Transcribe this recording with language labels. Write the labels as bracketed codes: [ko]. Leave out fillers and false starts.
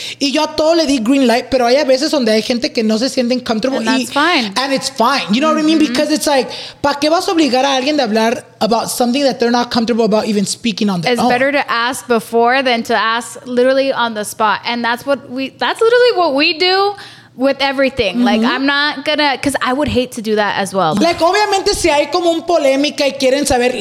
[es] Y yo a todo le di green light, pero hay a veces donde hay gente que no se sienten comfortable. [en] And that's fine. And it's fine. You know mm-hmm. what I mean? Because it's like, [es] pa que vas a obligar a alguien de hablar [en] about something that they're not comfortable about even speaking on their own. It's better to ask before than to ask literally on the spot. And that's literally what we do. With everything. Mm-hmm. Like, I'm not gonna... Because I would hate to do that as well. [es] Like, obviamente, si hay como un polémica y quieren saber...